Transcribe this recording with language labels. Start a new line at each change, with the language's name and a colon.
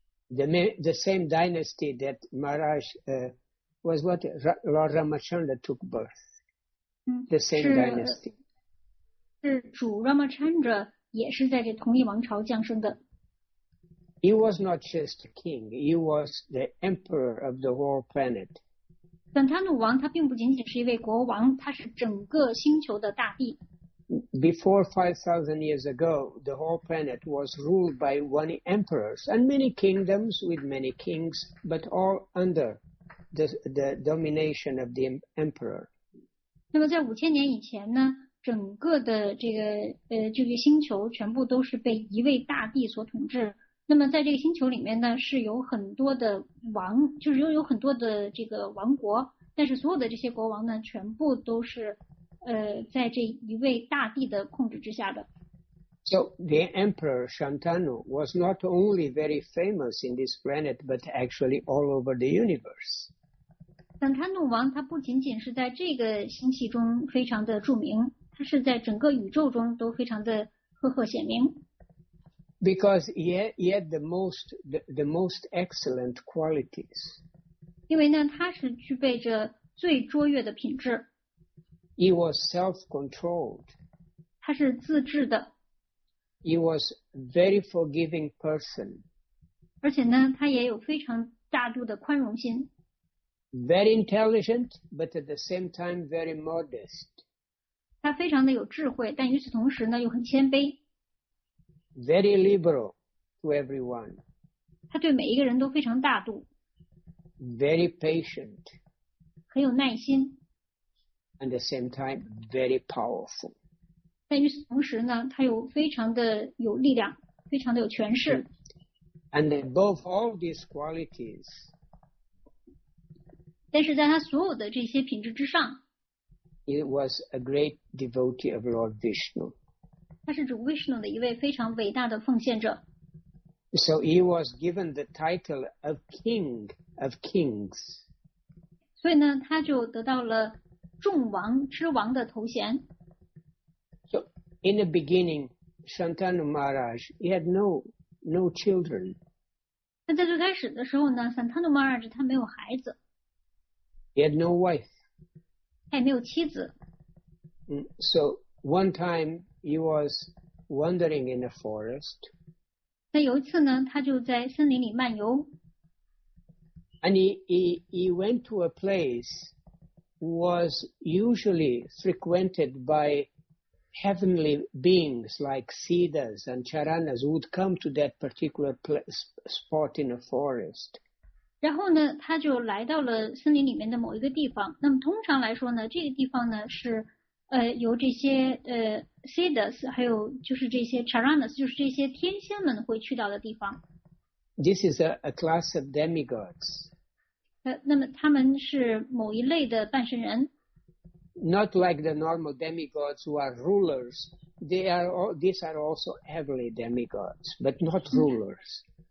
English: The same dynasty that Maharaj was what Lord Ramachandra took birth. The same dynasty.
Chinese: 是主 Ramachandra 也是在这同一王朝降生的。
English: He was not just a king. He was the emperor of the whole planet.
Chinese: 但他努王他并不仅仅是一位国王，他是整个星球的大帝。
English: Before 5,000 years ago, the whole planet was ruled by one emperor and many kingdoms with many kings, but all under the domination of the emperor.
Chinese: 那么在5,000年以前呢，整个的这个星球全部都是被一位大帝所统治。那么在这个星球里面呢，是有很多的王，就是有很多的这个王国，但是所有的这些国王呢，全部都是在这一位大帝的控制之下的。
English: So the Emperor Santanu was not only very famous in this planet, but actually all over the universe.
Chinese: 桑塔努王他不仅仅是在这个星系中非常的著名，他是在整个宇宙中都非常的赫赫显名。
English: Because he had the most excellent qualities.
Chinese: 因为呢，他是具备着最卓越的品质。
English: He was self-controlled.
Chinese: 他是自制的。
English: He was a very forgiving person.
Chinese: 而且呢，他也有非常大度的宽容心。
English: Very intelligent, but at the same time very modest.
Chinese: 他非常的有智慧，但与此同时呢，又很谦卑。
English: Very liberal to everyone.
Chinese: 他对每一个人都非常大度。
English: Very patient.
Chinese: 很有耐心。
English: At the same time, very powerful.
Chinese: 但与此同时呢，他又非常的有力量，非常的有权势。
English: And above all these qualities,
Chinese: 但是在他所有的这些品质之上，
English: he was a great devotee of Lord Vishnu.
Chinese: 他是主 Vishnu 的一位非常伟大的奉献者。
English: So he was given the title of King of Kings.
Chinese: 所以呢，他就得到了众王之王的头衔。
English: So in the beginning, Santanu Maharaj he had no children.
Chinese: 那在最开始的时候呢 ，Santanu Maharaj 他没有孩子。
English: He had no wife.
Chinese: 他也没有妻子。
English: So one time he was wandering in the forest.
Chinese: 那有一次呢，他就在森林里漫游。
English: And he went to a place was usually frequented by heavenly beings like Siddhas and Charanas who would come to that particular place, spot in a forest.
Chinese: 然后呢，他就来到了森林里面的某一个地方。那么通常来说呢，这个地方呢是由这些Siddhas 还有就是这些 Charanas 就是这些天仙们会去到的地方。
English: This is a class of demigods.
Chinese: 那么他们是某一类的半神人。
English: Not like the normal demigods who are rulers. They are all, these are also heavenly demigods, but not rulers.